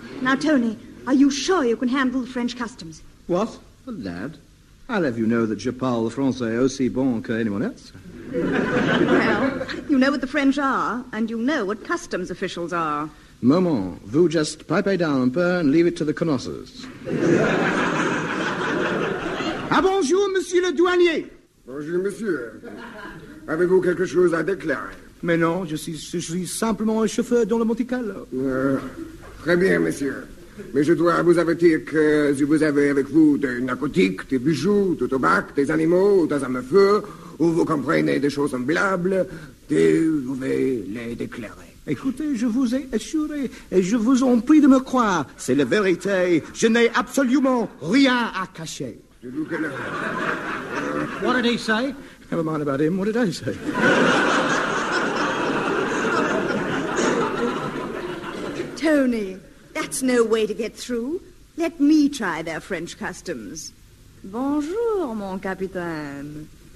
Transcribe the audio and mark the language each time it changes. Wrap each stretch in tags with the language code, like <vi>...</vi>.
<en>Now, Tony, are you sure you can handle the French customs? What? A lad? I'll have you know that</en> <fr>je parle français aussi bon que</fr> <en>anyone else. Well, you know what the French are, and you know what customs officials are. Maman, vous just pipe down</en> <fr>un peu</fr> <en>and leave it to the connoisseurs.</en> <fr>Ah, bonjour, monsieur le douanier. Bonjour, monsieur. Avez-vous quelque chose à déclarer? Mais non, je suis simplement un chauffeur dans le Monte Carlo. Très bien, monsieur. Mais je dois vous avertir que si vous avez avec vous des narcotiques, des bijoux, du tabac, des animaux, des armes à feu, ou vous comprenez des choses semblables, vous pouvez les déclarer. Écoutez, je vous ai assuré et je vous en prie de me croire. C'est la vérité. Je n'ai absolument rien à cacher.</fr> <en>What did he say? Never mind about him. What did I say? Tony, that's no way to get through. Let me try their French customs.</en> <fr>Bonjour, mon capitaine.</fr>